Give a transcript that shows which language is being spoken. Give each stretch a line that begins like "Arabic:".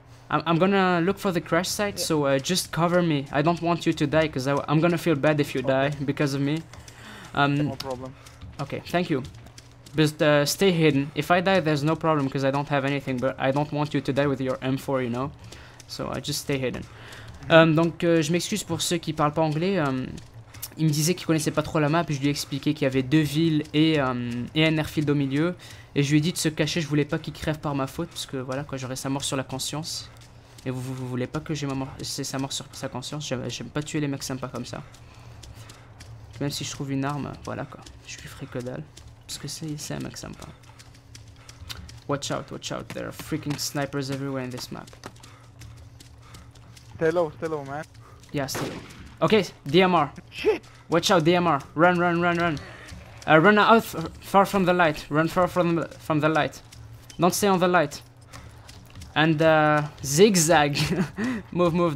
English: I'm gonna look for the crash site, yeah. So just cover me. I don't want you to die, because I'm gonna feel bad if you die because of me. No problem. Okay, thank you. Just stay hidden. If I die, there's no problem, because I don't have anything, but I don't want you to die with your M4, you know? So just stay hidden. Mm-hmm.
French: Je m'excuse pour ceux qui parlent pas anglais. Il me disait qu'il connaissait pas trop la map, je lui ai expliqué qu'il y avait deux villes et un airfield au milieu. Et je lui ai dit de se cacher, je voulais pas qu'il crève par ma faute, parce que voilà, quoi, j'aurais sa mort sur la conscience. Et vous voulez pas que j'ai sa mort sur sa conscience, j'aime pas tuer les mecs sympas comme ça. Même si je trouve une arme, voilà quoi, je suis free que dalle. Parce que c'est un mec sympa.
English: Watch out, there are freaking snipers everywhere in this map. Stay low, man. Yeah, stay low. Okay, DMR. Shit! Watch out, DMR. Run. Run out far from the light. Run far from the light. Don't stay on the light. And zigzag. move.